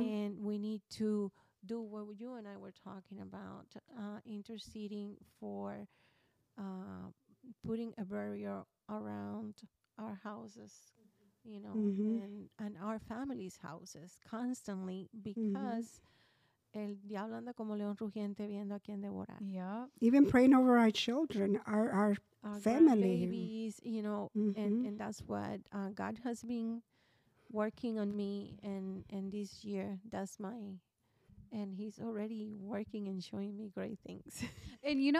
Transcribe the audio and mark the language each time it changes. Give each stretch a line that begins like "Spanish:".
English: And we need to do what you and I were talking about, interceding for putting a barrier around our houses, you know, mm-hmm. and our families' houses constantly, because... Mm-hmm.
Spanish: El diablo anda como león rugiente viendo a quien devorar.
English: Yeah. Even praying over our children, our family. Our babies, you know, mm-hmm. and that's what God has been working on me and this year. That's my, and He's already working and showing me great things. And you know.